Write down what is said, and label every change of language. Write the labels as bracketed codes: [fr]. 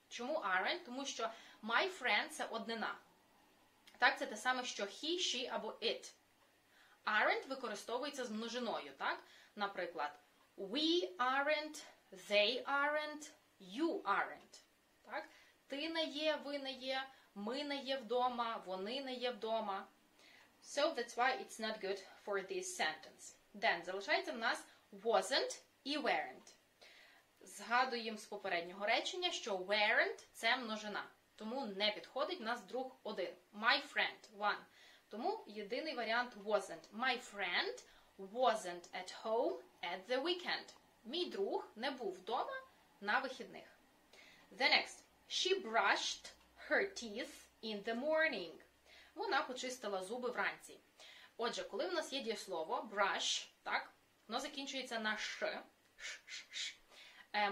[uk] Чому aren't? Тому що my friend – це однина. Так, це те саме, що he, she або it. Aren't використовується з множиною, так? Наприклад, we aren't, they aren't, you aren't. Так? Ти не є, ви не є, ми не є вдома, вони не є вдома. [en] So that's why it's not good for this sentence. [uk] Then, залишається в нас wasn't і weren't. Згадуємо з попереднього речення, що weren't – це множина. Тому не підходить в нас друг один. [en] My friend – one. [uk] Тому єдиний варіант [en] wasn't. My friend wasn't at home at the weekend. [uk] Мій друг не був вдома на вихідних. [en] The next. She brushed her teeth in the morning. [uk] Вона почистила зуби вранці. Отже, коли в нас є дієслово brush, так, воно закінчується на sh, sh, sh, sh.